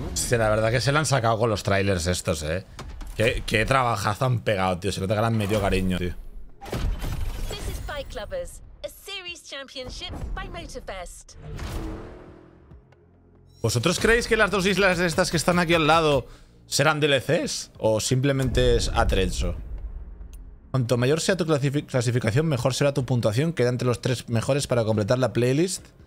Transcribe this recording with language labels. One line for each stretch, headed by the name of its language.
Spanish: La verdad que se la han sacado con los trailers estos, ¿eh? Qué trabajazo han pegado, tío. Se nota que le han metido cariño, tío.
English: This is Bike Lovers, a series championship by Motorfest.
Spanish: ¿Vosotros creéis que las dos islas estas que están aquí al lado serán DLCs? ¿O simplemente es atrezzo? Cuanto mayor sea tu clasificación, mejor será tu puntuación. Queda entre los tres mejores para completar la playlist.